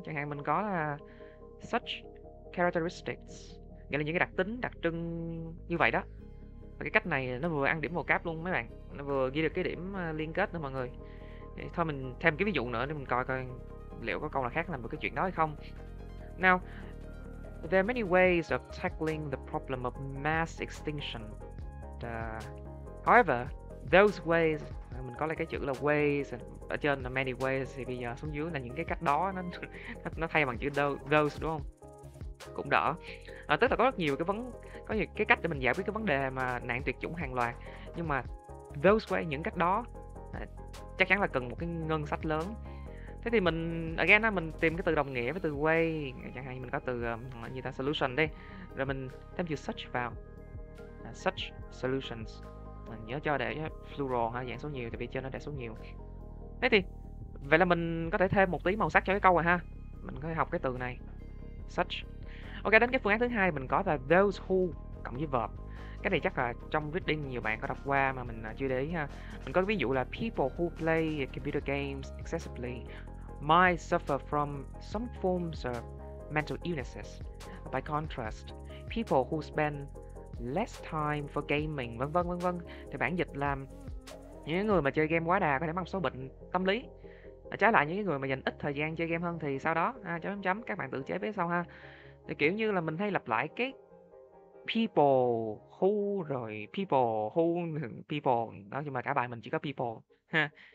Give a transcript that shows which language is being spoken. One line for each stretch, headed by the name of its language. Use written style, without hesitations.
Vietnamese: Chẳng hạn mình có là such characteristics, nghĩa là những cái đặc tính đặc trưng như vậy đó. Và cái cách này nó vừa ăn điểm vào cáp luôn mấy bạn, nó vừa ghi được cái điểm liên kết nữa mọi người. Thì thôi mình thêm cái ví dụ nữa để mình coi coi liệu có câu nào khác làm được cái chuyện đó hay không.
English: Now, there are many ways of tackling the problem of mass extinction. However, those ways,
Vietnamese: mình có lại cái chữ là ways, ở trên là many ways, thì bây giờ xuống dưới là những cái cách đó nó thay bằng chữ those đúng không? Cũng đỡ. Tức là có rất nhiều cái vấn có nhiều cái cách để mình giải quyết cái vấn đề mà nạn tuyệt chủng hàng loạt, nhưng mà
English: those way,
Vietnamese: những cách đó chắc chắn là cần một cái ngân sách lớn. Thế thì mình again á, mình tìm cái từ đồng nghĩa với từ way, chẳng hạn như mình có từ như ta solution đi, rồi mình thêm chữ such vào,
English: such solutions,
Vietnamese: mình nhớ cho để plural ha, dạng số nhiều, tại vì trên nó để số nhiều. Thế thì vậy là mình có thể thêm một tí màu sắc cho cái câu rồi ha, mình có thể học cái từ này such. Ok, đến cái phương án thứ hai mình có là
English: those who
Vietnamese: cộng với verb. Cái này chắc là trong reading nhiều bạn có đọc qua mà mình chưa để ý ha. Mình có ví dụ là
English: people who play computer games excessively might suffer from some forms of mental illnesses. By contrast, people who spend less time for gaming,
Vietnamese: vân vân vân vân. Thì bản dịch là những người mà chơi game quá đà có thể mắc một số bệnh tâm lý. Trái lại những người mà dành ít thời gian chơi game hơn thì sau đó chấm chấm, các bạn tự chế phía sau ha. Thì kiểu như là mình hay lặp lại cái people who rồi people who people đó, nhưng mà cả bài mình chỉ có people ha.